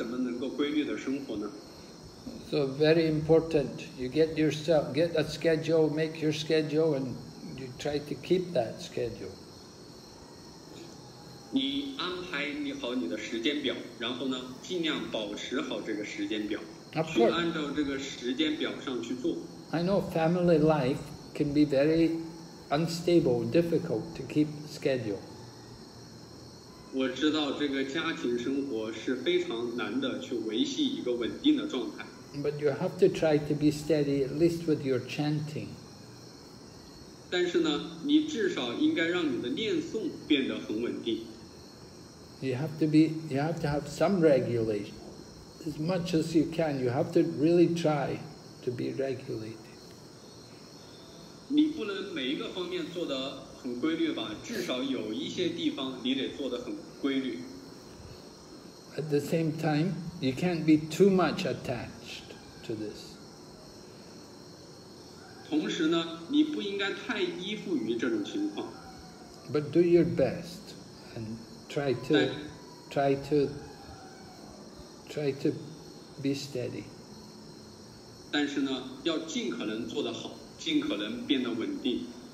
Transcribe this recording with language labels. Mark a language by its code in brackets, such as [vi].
[en] So very important, you get yourself, get a schedule, make your schedule, and you try to keep that schedule. [zh] 你安排你好你的时间表，然后呢，尽量保持好这个时间表，去按照这个时间表上去做。 [en] I know family life can be very unstable, difficult to keep schedule. [zh] 我知道这个家庭生活是非常难的去维系一个稳定的状态。 [en] But you have to try to be steady, at least with your chanting. [zh] 但是呢，你至少应该让你的念诵变得很稳定。 [en] You have to have some regulation, as much as you can. You have to really try to be regulated. [zh] 你不能每一个方面做得很规律吧，至少有一些地方你得做得很规律。 [en] At the same time, you can't be too much attached to this. [zh] 同时呢，你不应该太依附于这种情况。 [en] But do your best and try to be steady. [zh] 但是呢，要尽可能做得好，尽可能变得稳定。